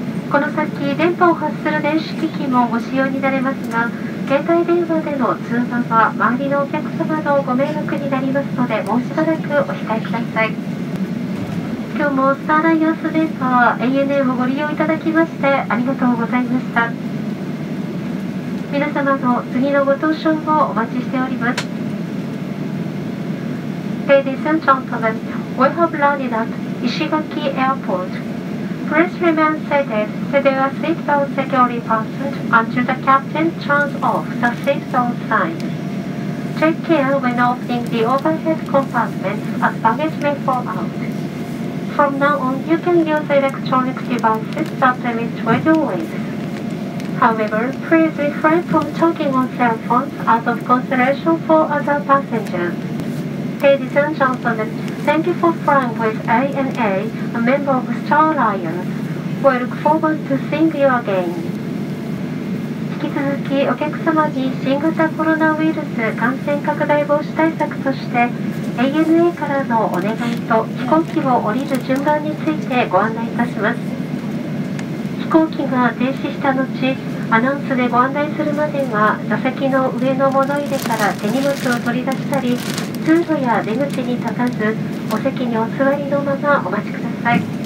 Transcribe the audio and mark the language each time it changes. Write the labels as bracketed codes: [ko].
[ja] この先、電波を発する電子機器もご使用になれますが、携帯電話での通話は周りのお客様のご迷惑になりますので、もうしばらくお控えください。今日もスターライアンス電波 ANA をご利用いただきましてありがとうございました。皆様の次のご搭乗をお待ちしております。 [en] Ladies and gentlemen, we have landed at 石垣 Airport. Please remain seated to the seatbelt securely fastened until the captain turns off the seatbelt sign. Take care when opening the overhead compartments as baggage may fall out. From now on, you can use electronic devices that emit radio waves. However, please refrain from talking on cell phones out of consideration for other passengers. Ladies and gentlemen,Thank you for flying with ANA, a member of Star Alliance. We look forward to seeing you again. [ja] 引き続きお客様に新型コロナウイルス感染拡大防止対策として ANA からのお願いと飛行機を降りる順番についてご案内いたします。飛行機が停止した後、アナウンスでご案内するまでは座席の上の物入れから手荷物を取り出したり、通路や出口に立たず、お席にお座りのままお待ちください。